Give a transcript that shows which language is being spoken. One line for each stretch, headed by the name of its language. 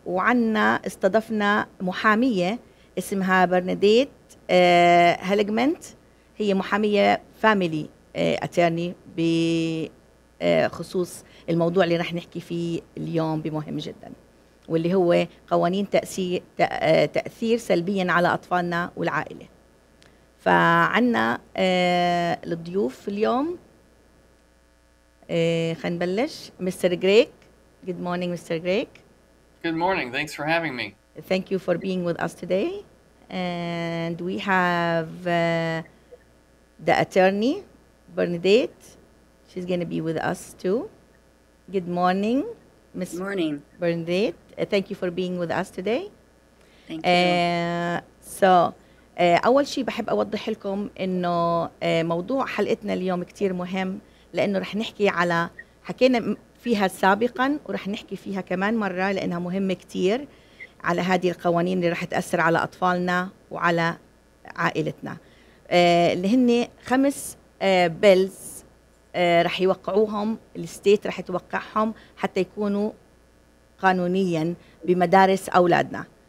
Arabic: وعنا استضفنا محامية اسمها برناديت هيلجمنت، هي محامية فاميلي اتيرني بخصوص الموضوع اللي رح نحكي فيه اليوم بمهم جدا، واللي هو قوانين تأثير سلبيا على أطفالنا والعائلة. فعنا الضيوف اليوم، خلينا نبلش. مستر غريك،
English: good morning
Arabic: مستر غريك.
English: good morning, thanks for having me. thank you for being with us today. and we have the attorney Bernadette, she's gonna be with us too. good morning Ms. good morning Bernadette, thank you for being with us today. thank you.
Arabic: So اول شيء بحب اوضح لكم انه موضوع حلقتنا اليوم كتير مهم، لانه رح نحكي على حكينا فيها سابقا ورح نحكي فيها كمان مره لانها مهمه كتير، على هذه القوانين اللي رح تاثر على اطفالنا وعلى عائلتنا، اللي هن خمس بيلز رح يوقعوهم الستيت، رح يتوقعهم حتى يكونوا قانونيا بمدارس اولادنا.